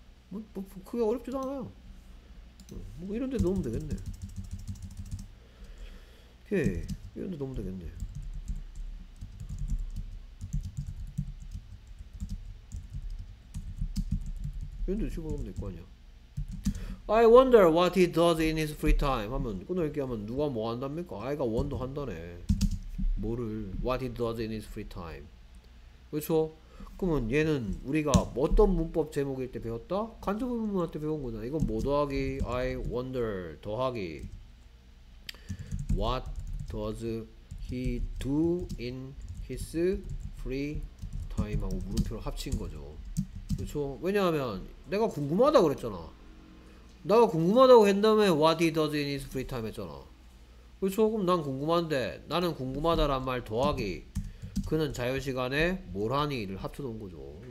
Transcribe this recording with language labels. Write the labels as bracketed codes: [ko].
[ko] 뭐 그게 어렵지도 않아요. 뭐 이런 데 넣으면 되겠네. 오케이, 이런 데 넣으면 되겠네. 이런 데 집어넣으면 될거 아니야. [en] I wonder what he does in his free time. [ko] 하면 끝날게 하면 누가 뭐 한답니까? [en] I가 [ko] 원도 한다네. 뭐를? [en] What he does in his free time. 그렇죠? [ko] 그러면 얘는 우리가 어떤 문법 제목일 때 배웠다? 간접 의문문할 때 배운 거잖아. 이건 뭐 더하기? I wonder 더하기. [en] What does he do in his free time? [ko] 하고 물음표를 합친 거죠. 그렇죠? 왜냐하면 내가 궁금하다고 그랬잖아. 나가 궁금하다고 한 다음에 [en] What he does in his free time [ko] 했잖아. 그렇죠? 그럼 난 궁금한데, 나는 궁금하다란 말 더하기, 그는 자유시간에 뭘 하니를 합쳐놓은 거죠.